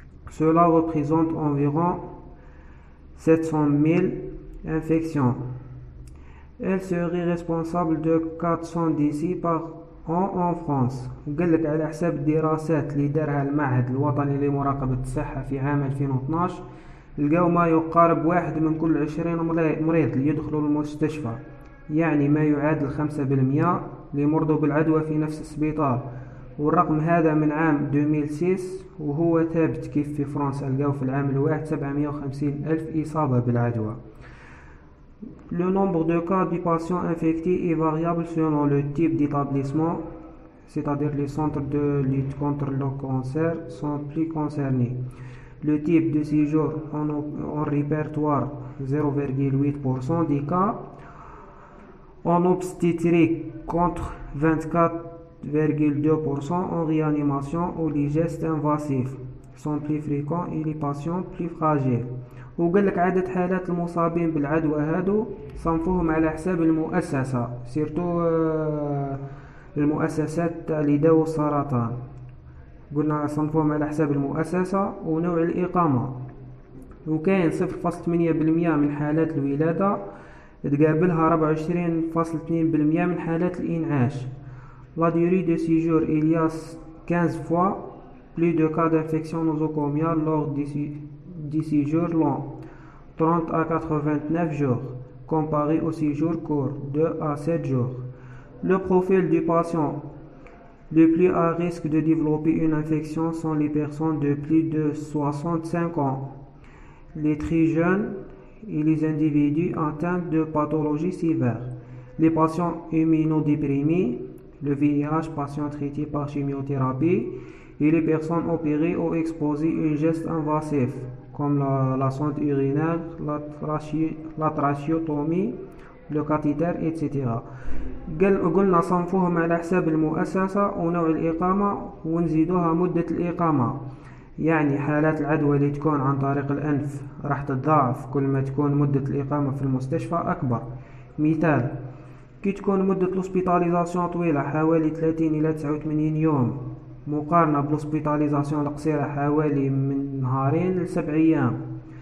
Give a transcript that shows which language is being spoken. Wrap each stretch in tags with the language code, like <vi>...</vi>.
<fr>Cela représente environ 700 000 infections. Elle serait responsable de 400 décès par an en France.</fr> <ar>قال لك على حساب الدراسات اللي دارها المعهد الوطني لمراقبة الصحة في عام 2012، لقاو ما يقارب واحد من كل 20 مريض يدخلوا المستشفى، يعني ما يعادل 5% اللي مرضوا بالعدوى في نفس السبيطار. والرقم هذا من عام 2006 وهو ثابت. كيف في فرنسا لقاو في العام الواحد 750 ألف إصابة بالعدوى.</ar> <fr>Le nombre de cas de patients infectés est variable selon le type d'établissement, c'est-à-dire les centres de lutte contre le cancer sont plus concernés. Le type de séjour en répertoire 0,8% des cas, en obstétrique contre 24,2%, en réanimation ou les gestes invasifs sont plus fréquents et les patients plus fragiles.</fr> <ar>وقال لك عدد حالات المصابين بالعدوى هادو صنفوهم على حساب المؤسسة، سيرتو المؤسسات تاع اللي داو السرطان. قلنا صنفوهم على حساب المؤسسة ونوع الإقامة. وكاين 0.8% من حالات الولادة تقابلها 24.2% من حالات الإنعاش.</ar> <fr>La durée de séjour il y a 15 fois plus de cas d'infection nosocomiale lors des séjours longs. 30 à 89 jours, comparé aux 6 jours courts, 2 à 7 jours. Le profil du patient le plus à risque de développer une infection sont les personnes de plus de 65 ans, les très jeunes et les individus atteints de pathologies sévères, les patients immunodéprimés, le VIH patient traité par chimiothérapie et les personnes opérées ou exposées à un geste invasif comme la sonde urinaire, la trachéotomie, le cathéter, etc.</fr> <ar>قلنا صنفوهم على حساب المؤسسة ونوع الإقامة ونزيدوها مدة الإقامة. يعني حالات العدوى اللي تكون عن طريق الأنف راح تتضاعف كل ما تكون مدة الإقامة في المستشفى أكبر. مثال كي تكون مدة الهوسبيتاليزاسيون طويلة حوالي 30 إلى 89 يوم مقارنة بالهوسبيتاليزاسيون القصيرة حوالي من نهارين لسبع أيام.</ar>